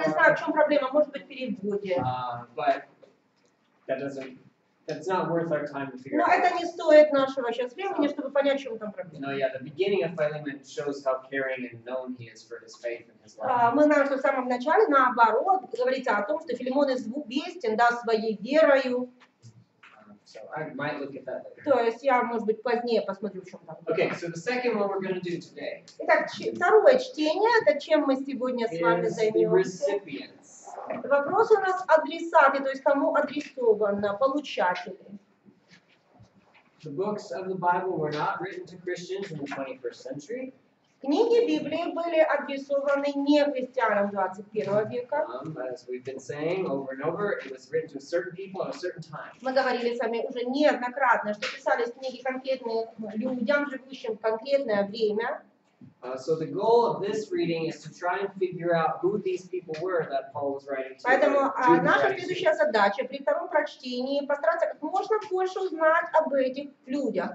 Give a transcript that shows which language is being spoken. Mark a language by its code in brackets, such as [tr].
[ru] Я не знаю, в чем проблема, может быть, в переводе. [en] But that doesn't, that's not worth our time to figure out. [ru] Но это не стоит нашего сейчас времени, чтобы понять, в чем там проблема. [en] No, yeah, the beginning of Philemon shows how caring and known he is for his faith and his life. [ru] Мы знаем, что в самом начале, наоборот, говорится о том, что Филимон известен, да, своей верою. [en] So I might look at that later. [ru] То есть я, может быть, позднее посмотрю, в чем там. [en] Okay, so the second one we're going to do today. [ru] Итак, второе чтение, это чем мы сегодня с вами займемся? Вопрос у нас адресаты, то есть кому адресовано, получатели. [en] The books of the Bible were not written to Christians in the 21st century. [ru] Книги Библии были адресованы не христианам 21 века. [en] As we've been saying over and over, it was written to certain people at a certain time. [ru] Мы говорили с вами уже неоднократно, что писались книги конкретным людям, живущим в конкретное время. [en] So the goal of this reading is to try and figure out who these people were that Paul was writing to. [ru] Поэтому наша следующая задача при втором прочтении постараться как можно больше узнать об этих людях.